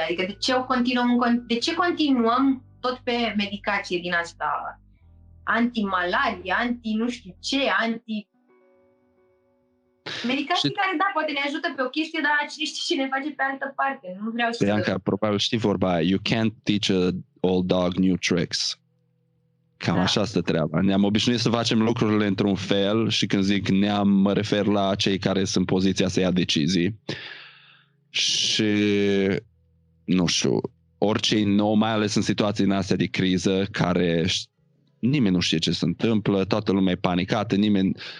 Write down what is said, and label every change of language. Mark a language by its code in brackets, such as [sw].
[ro] Adică de ce, de ce continuăm tot pe medicație din asta? Anti-malaria, anti nu știu ce, anti... Medicații și... care, da, poate ne ajută pe o chestie, dar cine știe ce ne face pe altă parte. Nu vreau să... Bianca, probabil știi vorba aia. [en] You can't teach an old dog new tricks. [ro] Cam da. Așa stă treaba. Ne-am obișnuit să facem lucrurile într-un fel și când zic ne-am, mă refer la cei care sunt în poziția să ia decizii. Și, nu știu, orice nou, mai ales în situații în astea de criză, care nimeni nu știe ce se întâmplă, toată lumea e panicată, nimeni...